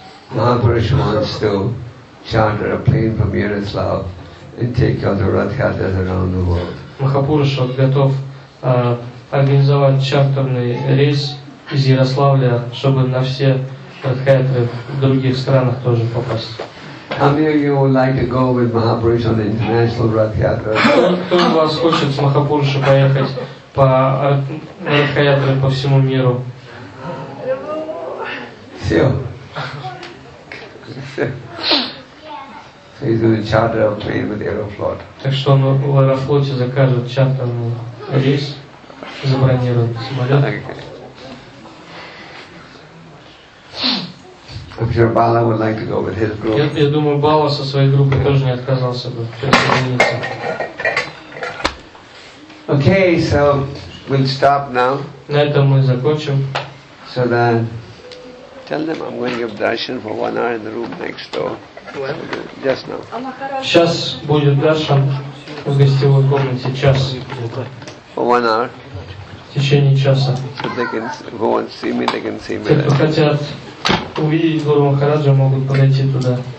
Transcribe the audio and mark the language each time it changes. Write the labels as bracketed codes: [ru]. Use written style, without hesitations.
[en] Махапуруша wants to charter a plane from Yaroslav and take other Radhakatas around the world. [ru] Махапуруша готов организовать чартерный рейс из Ярославля, чтобы на все Радхакаты в других странах тоже попасть. [en] How many of you would like to go with Махапуруша on the international Radhakata? [ru] Кто из вас хочет с Махапурушей поехать по Радхакатам по всему миру? Все. [en] So he's going to charter a plane with Aeroflot. [ru] Так что он в Аэрофлоте закажет чартерный рейс, забронирует самолет. [en] Okay. I'm sure Bala would like to go with his group. [ru] Я думаю, Бала со своей группой тоже не отказался бы присоединиться. [en] Okay, so we'll stop now. [ru] На этом мы закончим. [en] So then, tell them I'm going to give darshan for 1 hour in the room next door. Yes, now. [ru] Сейчас будет даршан в гостевой комнате час. [en] For 1 hour. [ru] В течение часа. [en] So they can go and see me. They can see me. [ru] Те, кто хотят увидеть Гуру Махараджа, могут подойти туда.